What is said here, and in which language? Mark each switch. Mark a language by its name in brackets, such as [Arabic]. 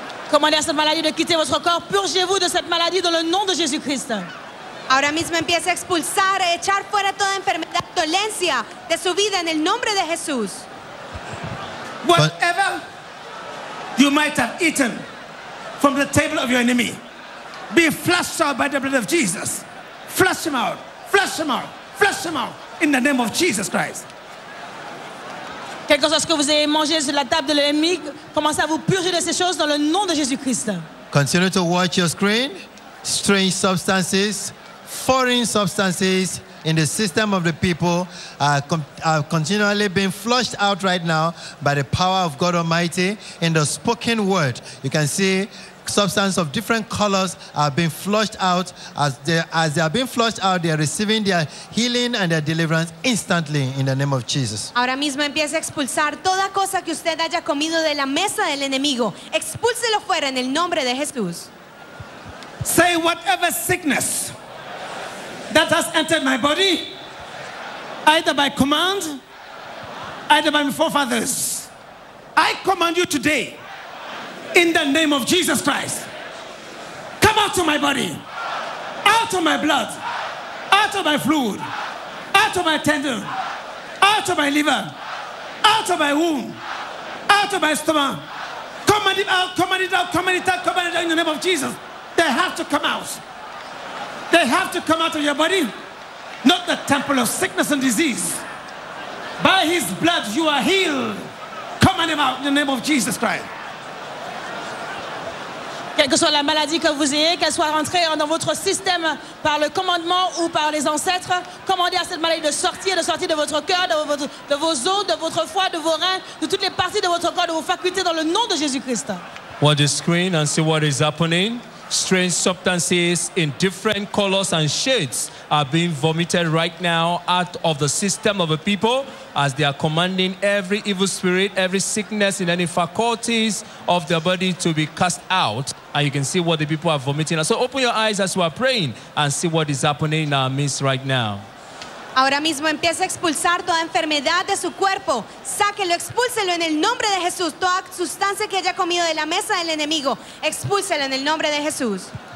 [French] Commandez à cette maladie de quitter votre corps. Purgez-vous de cette maladie dans le nom de Jésus-Christ. [Spanish] Ahora mismo empiece a expulsar, a echar fuera toda enfermedad, dolencia de su vida en el nombre de Jesús. [English] Whatever you might have eaten from the table of your enemy, be flushed out by the blood of Jesus. Flush him out, flush him out, flush him out in the name of Jesus Christ. [French] Quelque chose que vous avez mangé sur la table de l'ennemi, commencez à vous purger de ces choses dans le nom de Jésus Christ. [English] Continue to watch your screen. Strange substances, foreign substances in the system of the people are continually being flushed out right now by the power of God Almighty in the spoken word. You can see substances of different colors are being flushed out. As they are being flushed out, they are receiving their healing and their deliverance instantly in the name of Jesus. [Spanish] Ahora mismo empieza a expulsar toda cosa que usted haya comido de la mesa del enemigo. Expúlselo fuera en el nombre de Jesús. [English] Say whatever sickness that has entered my body, either by command, either by my forefathers, I command you today, in the name of Jesus Christ, come out of my body, out of my blood, out of my fluid, out of my tendon, out of my liver, out of my womb, out of my stomach. Command it out, command it out, command it out, command it out in the name of Jesus. They have to come out. They have to come out of your body, not the temple of sickness and disease. By his blood, you are healed. Command him out in the name of Jesus Christ. [French] Quelle que soit la maladie que vous ayez, qu'elle soit rentrée dans votre système par le commandement ou par les ancêtres, commandez à cette maladie de sortir de votre cœur, de vos os, de votre foie, de vos reins, de toutes les parties de votre corps, de vos facultés, dans le nom de Jésus-Christ. [English] Watch the screen and see what is happening. Strange substances in different colors and shades are being vomited right now out of the system of the people as they are commanding every evil spirit, every sickness in any faculties of their body to be cast out. And you can see what the people are vomiting. So open your eyes as we are praying and see what is happening in our midst right now. [Spanish] Ahora mismo empieza a expulsar toda enfermedad de su cuerpo. Sáquelo, expúlselo en el nombre de Jesús. Toda sustancia que haya comido de la mesa del enemigo, expúlselo en el nombre de Jesús.